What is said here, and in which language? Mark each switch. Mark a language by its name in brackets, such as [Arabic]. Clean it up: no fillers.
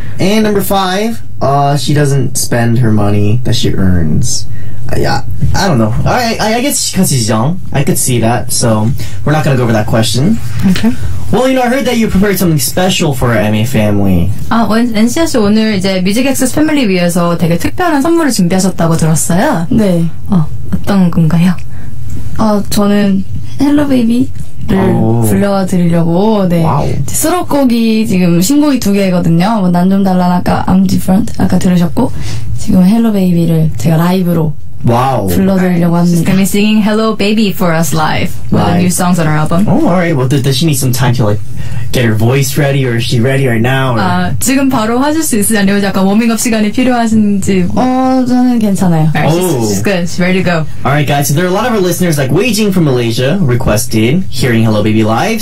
[English] And number five, she doesn't spend her money that she earns. Yeah, I don't know. All right, I guess because she's young, I could see that. So we're not gonna go over that question. Okay. Well, you know, I heard that you prepared something special for our MA family. [Korean] 아, 엔시아 씨 오늘 이제 뮤직 액세스 패밀리 위해서 되게 특별한 선물을 준비하셨다고 들었어요. 네. 어떤 건가요? 저는 Hello Baby를 불러와 드리려고. 네. 와우. 수록곡이 지금 신곡이 두 개거든요. 뭐 난 좀 달라 아까 I'm Different 아까 들으셨고 지금 Hello Baby를 제가 라이브로. [English] Wow. [Korean] 불러드리려고 합니다. [English] She's gonna be singing Hello Baby for us live. With the new songs on her album. Oh, alright. Well, does she need some time to like get her voice ready or is she ready right now? Or? [Korean] 지금 바로 하실 수 있으시나요? 약간 워밍업 시간이 필요하신지. 저는 괜찮아요. [English] Alright, she's good. She's ready to go. Alright, guys. So there are a lot of our listeners like Weijing from Malaysia requested hearing Hello Baby live.